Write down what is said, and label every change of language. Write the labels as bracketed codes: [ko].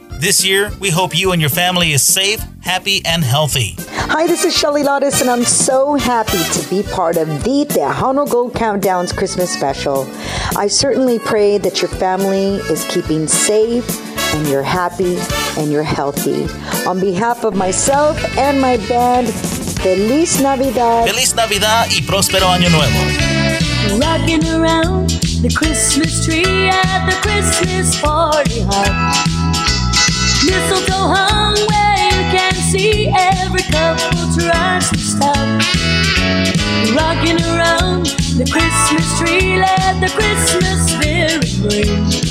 [en] This year, we hope you and your family is safe, happy, and healthy. Hi, this is Shelly Lottis, and I'm so happy to be part of the Tejano Gold Countdown's Christmas special. I certainly pray that your family is keeping safe, and you're happy, and you're healthy. On behalf of myself and my band, [es] Feliz Navidad. Feliz Navidad y Prospero Año Nuevo. [en] Rocking around the Christmas tree at the Christmas party hut. Mistletoe hung where you can see every couple tries to stop. Rocking around the Christmas tree, let the Christmas spirit ring.